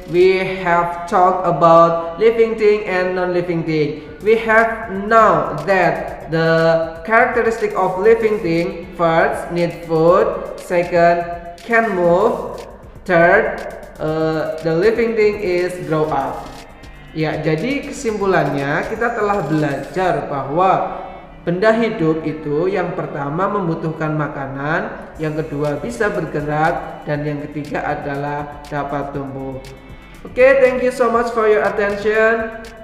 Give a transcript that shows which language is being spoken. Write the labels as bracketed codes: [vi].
[en] We have talked about living thing and non-living thing. We have now that the characteristic of living thing, first, need food, second, can move, third, the living thing is grow up. [id] Ya, jadi kesimpulannya kita telah belajar bahwa benda hidup itu yang pertama membutuhkan makanan, yang kedua bisa bergerak, dan yang ketiga adalah dapat tumbuh. [en] Okay, thank you so much for your attention.